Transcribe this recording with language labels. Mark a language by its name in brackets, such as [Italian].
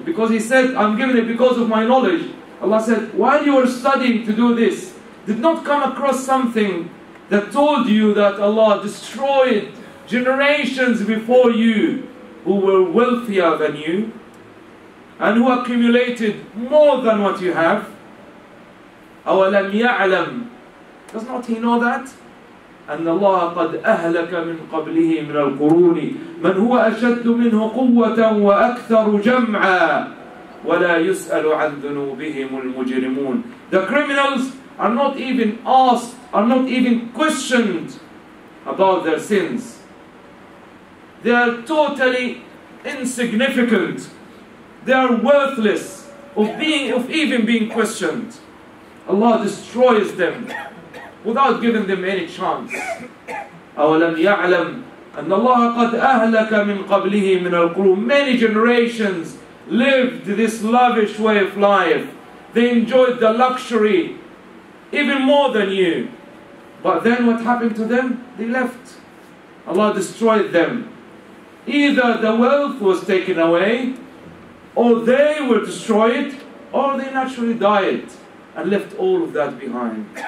[English] Because he said, I'm giving it because of my knowledge. Allah said, while you were studying to do this, did not come across something that told you that Allah destroyed generations before you who were wealthier than you and who accumulated more than what you have? [Arabic] أَوَلَمْ يَعْلَمْ [English] Does not he know that? [Arabic] أَنَّ اللَّهَ قَدْ أَهْلَكَ مِنْ قَبْلِهِ مِنَ الْقُرُونِ مَنْ هُوَ أَشَدُّ مِنْهُ قُوَّةً وَأَكْثَرُ جَمْعًا وَلَا يُسْأَلُ عَنْ ذُنُوبِهِمُ الْمُجْرِمُونَ [English] The criminals are not even asked, are not even questioned about their sins. They are totally insignificant. They are worthless of even being questioned. Allah destroys them without giving them any chance. [Arabic] أَوَلَمْ يَعْلَمْ أَنَّ اللَّهَ قَدْ أَهْلَكَ مِنْ قَبْلِهِ مِنَ الْقُرُونِ [English] Many generations lived this lavish way of life. They enjoyed the luxury even more than you. But then what happened to them? They left. Allah destroyed them. Either the wealth was taken away, or they were destroyed, or they naturally died and left all of that behind.